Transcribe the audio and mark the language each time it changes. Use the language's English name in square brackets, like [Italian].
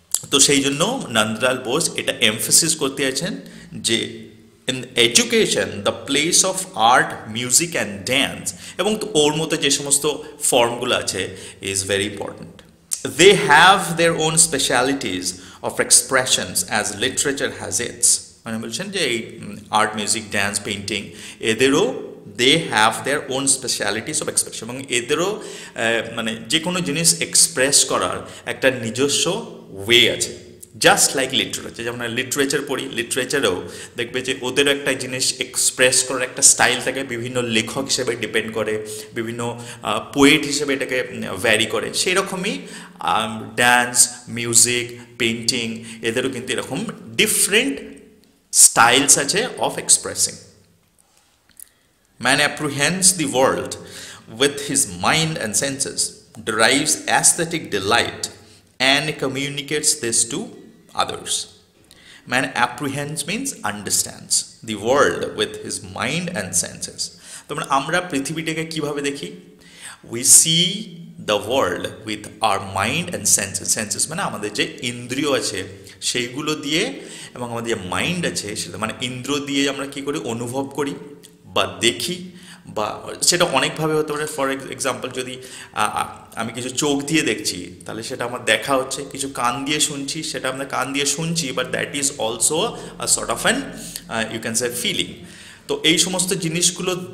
[Bangla] তো সেই জন্য নন্দলাল বোস এটা এমফেসিস করতে আছেন যে [English] in education the place of art, music and dance [Bangla] এবং ওর মতো যে সমস্ত ফর্মগুলো আছে is very important. [English] They have their own specialities of expressions as literature has its. [Bangla] মানে বলছেন যে এই আর্ট মিউজিক ড্যান্স পেইন্টিং এদেরও [English] they have their own specialities of expression [Bangla] এবং এদেরও মানে যে কোনো জিনিস এক্সপ্রেস করার একটা নিজস্ব ওয়ে আছে জাস্ট লাইক লিটারেচার যেমন লিটারেচার পড়ি লিটারেচারেও দেখবে যে ওদেরও একটা জিনিস এক্সপ্রেস করার একটা স্টাইল থাকে বিভিন্ন লেখক হিসেবে ডিপেন্ড করে বিভিন্ন পোয়েট হিসেবে এটাকে ভ্যারি করে সেই রকমই ড্যান্স মিউজিক পেইন্টিং এদেরও কিন্তু এরকম [English] Different styles such as of expressing. Man apprehends the world with his mind and senses, derives aesthetic delight and communicates this to others. Man apprehends means understands the world with his mind and senses. [Bangla] তোমরা আমরা পৃথিবীটাকে কিভাবে দেখি? [English] We see the world with our mind and senses. [Bangla] Senses মানে আমাদের যে ইন্দ্রিয় আছে সেইগুলো দিয়ে এবং আমাদের যে মাইন্ড আছে সেটা মানে ইন্দ্রিয় দিয়ে আমরা কী করি অনুভব করি বা দেখি বা সেটা অনেকভাবে হতে পারে ফর এক্সাম্পল যদি আমি কিছু চোখ দিয়ে দেখছি তাহলে সেটা আমার দেখা হচ্ছে কিছু কান দিয়ে শুনছি সেটা আমরা কান দিয়ে শুনছি [English] but that is also a sort of an you can say feeling [Bangla] তো এই সমস্ত জিনিসগুলো